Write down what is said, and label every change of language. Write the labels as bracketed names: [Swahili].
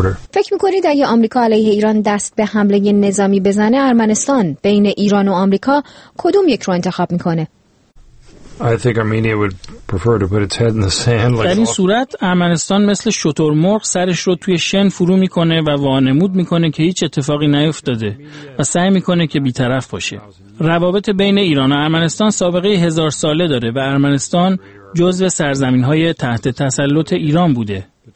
[Persian] فکر می‌کنید اگه آمریکا علیه ایران دست به حمله نظامی بزنه، ارمنستان بین ایران و آمریکا کدوم یک رو انتخاب می‌کنه؟ [English] I think Armenia would prefer to put its head in the sand. [Persian] در این صورت ارمنستان مثل شترمرغ سرش رو توی شن فرو میکنه و وانمود میکنه که هیچ اتفاقی نیفتاده و سعی میکنه که بیطرف باشه. روابط بین ایران و ارمنستان سابقه 1000 ساله داره و ارمنستان جزو سرزمین‌های تحت تسلط ایران بوده.